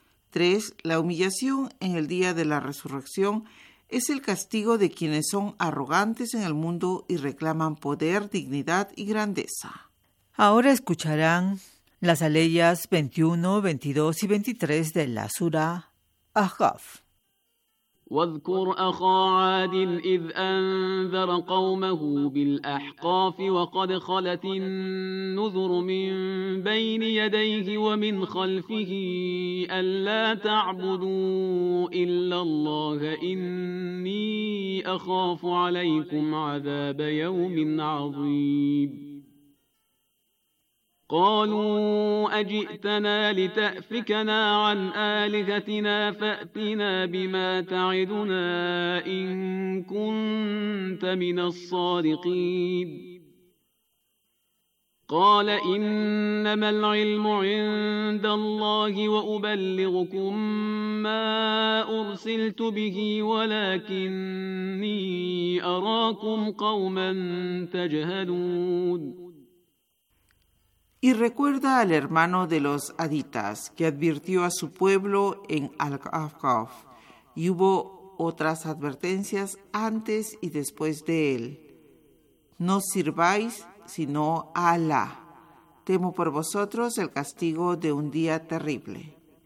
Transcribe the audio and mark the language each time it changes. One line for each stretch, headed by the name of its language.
Spanish: Tres, la humillación en el día de la resurrección es el castigo de quienes son arrogantes en el mundo y reclaman poder, dignidad y grandeza. Ahora escucharán las aleyas 21, 22 y 23 de la sura Ahqaf.
Arabic: واذكر أخا عاد إذ أنذر قومه بالأحقاف وقد خلت النذر من بين يديه ومن خلفه ألا تعبدوا إلا الله إني أخاف عليكم عذاب يوم عظيم قالوا أجئتنا لتأفكنا عن آلهتنا فأتنا بما تعدنا إن كنت من الصادقين قال إنما العلم عند الله وأبلغكم ما أرسلت به ولكني أراكم قوما تجهلون.
Spanish: Y recuerda al hermano de los aditas que advirtió a su pueblo en Al-Ahqaf y hubo otras advertencias antes y después de él. No sirváis sino a Alá. Temo por vosotros el castigo de un día terrible.